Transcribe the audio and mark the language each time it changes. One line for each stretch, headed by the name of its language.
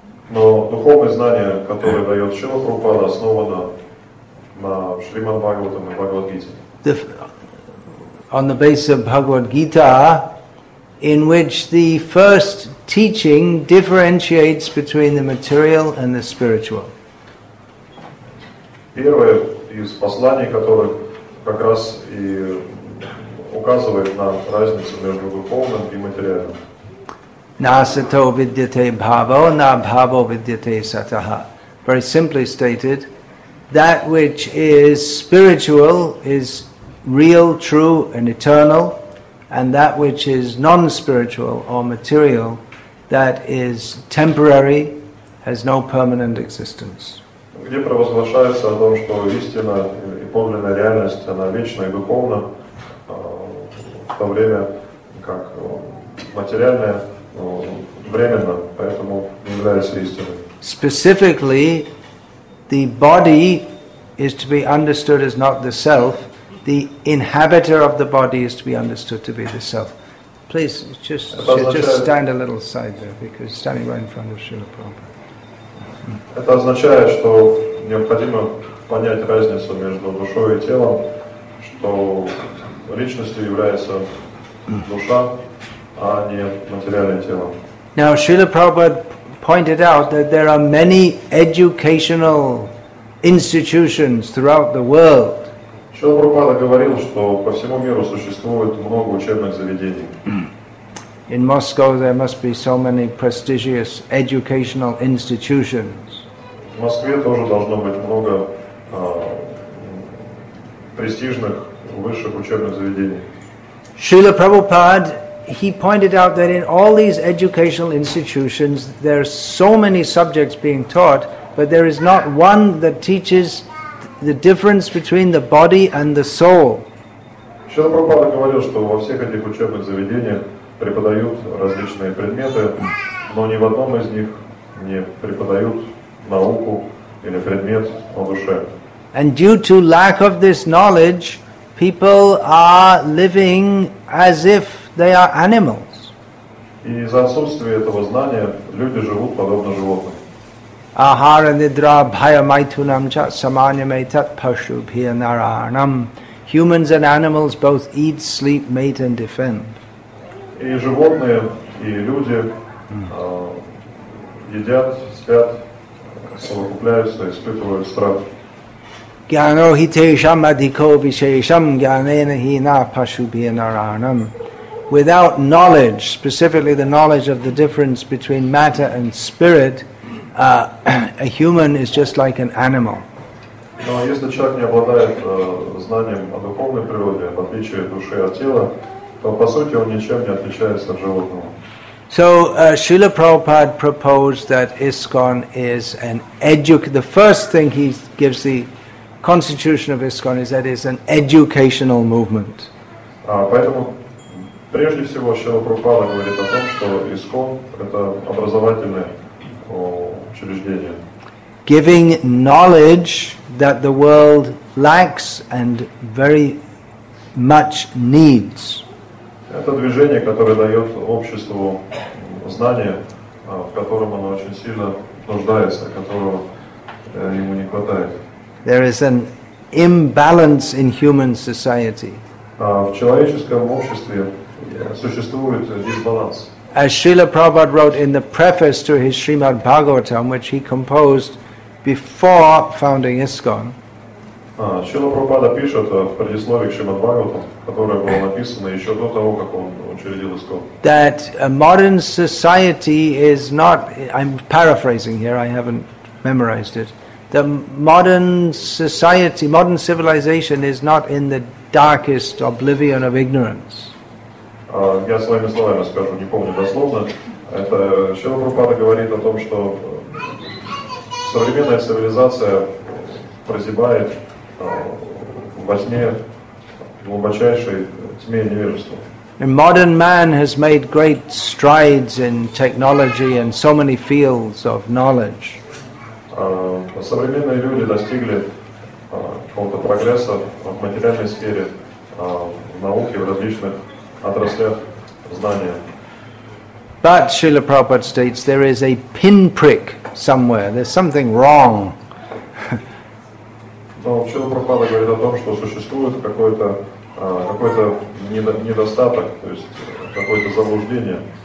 Russian: Но духовное знание, которое дает Srila Prabhupada, основано на Шримад Бхагаватам и Бхагавад Гите.
English: On the basis of Bhagavad Gita, in which the first teaching differentiates between the material and the spiritual.
Russian: Первое из посланий, которое как раз и указывает на разницу между духовным и материальным.
Sanskrit: Насато видьяте бхаво, на бхаво видьяте сатаха.
English: Very simply stated, that which is spiritual is real, true, and eternal, and that which is non-spiritual or material, that is temporary, has no permanent existence.
Russian: Где провозглашается о том, что истина и подлинная реальность, она вечна и духовна, в то время как материальное временно, поэтому не является истиной.
English: Specifically, the body is to be understood as not the self. The inhabitor of the body is to be understood to be the self. Please, just stand a little aside there, because standing right in front of Srila Prabhupada.
Russian: Это означает, что необходимо понять разницу между душой и телом, что личностью является душа, а не материальное тело.
English: Now, Srila Prabhupada pointed out that there are many educational institutions throughout the world.
Russian: Шрила Прабхупада говорил, что по всему миру существует много учебных заведений.
English: In Moscow there must be so many prestigious educational institutions.
Russian: В Москве тоже должно быть много престижных высших учебных заведений.
English: Шрила Прабхупада, he pointed out that in all these educational institutions there are so many subjects being taught, but there is not one that teaches the difference between the body and the soul.
Russian: Шрила Прабхупада говорил, что во всех этих учебных заведениях преподают различные предметы, но ни в одном из них не преподают науку или предмет о душе.
English: And due to lack of this knowledge, people are living as if they are animals.
Russian: И из-за отсутствия этого знания люди живут подобно животным.
Sanskrit: Ahara nidra bhaya maitunam cha samanyam etat pashu bhya naranam.
English: Humans and animals both eat, sleep, mate and defend.
Russian: И животные, и люди едят, спят, совокупляются, испытывают страх.
Sanskrit: Gyano hitesham adhiko vishesham gyanena hina pashu bhya naranam.
English: Without knowledge, specifically the knowledge of the difference between matter and spirit, a human is just like an animal.
Russian: Но если человек не обладает знанием о духовной природе, в отличие от души от тела, то по сути он ничем не отличается от животного.
English: So Srila Prabhupada proposed that ISKCON is an the first thing he gives the constitution of ISKCON is that it's an educational movement.
Russian: Поэтому прежде всего Шрила Прабхупада говорит о том, что ISKCON это образовательное учреждение.
English: Giving knowledge that the world lacks and very much needs.
Russian: Это движение, которое дает обществу знания, в котором оно очень сильно нуждается, которого ему не хватает.
English: There is an imbalance in human society.
Russian: В человеческом обществе существует дисбаланс.
English: As Srila Prabhupada wrote in the preface to his Srimad Bhagavatam, which he composed before founding ISKCON,
Russian: Шрила Прабхупада пишет в предисловии к Шримад Бхагаватам, которое было написано еще до того, как он учредил ISKCON.
English: That a modern society is not, I'm paraphrasing here, I haven't memorized it, the modern society, modern civilization is not in the darkest oblivion of ignorance.
Russian: Я своими словами скажу, не помню дословно. Это Шрила Прабхупада говорит о том, что современная цивилизация прозябает во тьме, глубочайшей тьме невежества.
English: And modern man has made great strides in technology and so many fields of knowledge.
Russian: Современные люди достигли какого-то прогресса в материальной сфере, в науке, в различных отраслях знания.
English: But Srila Prabhupada states there is a pinprick somewhere. There's something wrong.
Russian: Но Шрила Прабхупада говорит о том, что существует какой-то недостаток, то есть какое-то заблуждение.